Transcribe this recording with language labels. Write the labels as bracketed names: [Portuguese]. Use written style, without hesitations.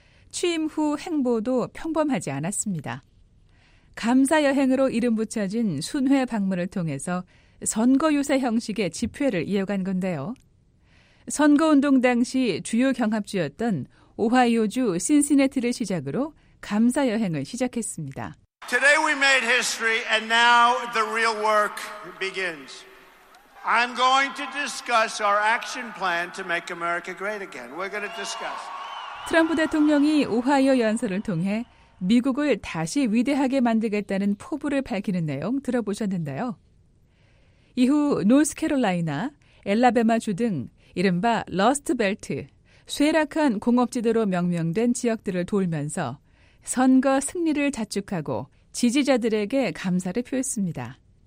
[Korean] 취임 후 행보도 평범하지 않았습니다. 감사 여행으로 이름 붙여진 순회 방문을 통해서 선거 유세 형식의 집회를 이어간 건데요. 선거운동 당시 주요 경합지였던 오하이오주 신시내티를 시작으로 감사 여행을 시작했습니다. [English] Today we made history and now the real work begins. I'm going to discuss our action plan to make America great again. We're going to discuss. [Korean] 트럼프 대통령이 오하이오 연설을 통해 미국을 다시 위대하게 만들겠다는 포부를 밝히는 내용 들어보셨는데요. 이후 노스캐롤라이나, 엘라베마주 등 이른바 러스트 벨트, 쇠락한 공업지대로 명명된 지역들을 돌면서 선거 승리를 자축하고 지지자들에게 감사를 표했습니다.